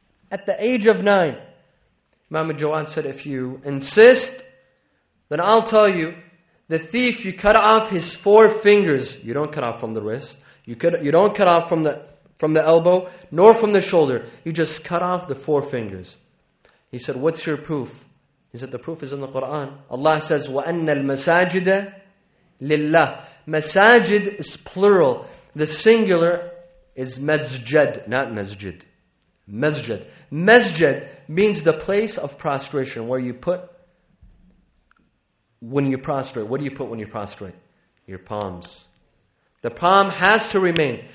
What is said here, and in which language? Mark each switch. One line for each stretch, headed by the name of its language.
English: At the age of nine, Imam al-Jawad said, if you insist, then I'll tell you, the thief, you cut off his four fingers. You don't cut off from the wrist. You don't cut off from the elbow, nor from the shoulder. You just cut off the four fingers. He said, what's your proof? He said, the proof is in the Quran. Allah says,
Arabic: وَأَنَّ الْمَسَاجِدَ لِلَّهِ.
English: Masajid is plural. The singular is masjid, not masjid. Masjid. Masjid means the place of prostration where you put when you prostrate. What do you put when you prostrate? Your palms. The palm has to remain.